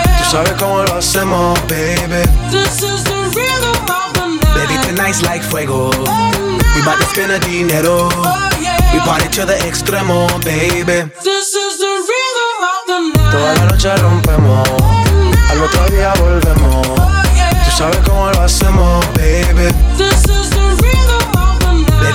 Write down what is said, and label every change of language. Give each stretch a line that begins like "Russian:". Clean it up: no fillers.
Spanish: sabes cómo lo hacemos, baby.
English: This is the rhythm of the night. Baby, tonight's like fuego. Oh, we about to spend the dinero. Oh, yeah. We party to the extremo, baby. This is the rhythm of the night.
Spanish: Toda la noche rompemos. Al otro día volvemos. Oh, yeah. Tú sabes cómo lo hacemos, baby.
English: This is the rhythm of the night.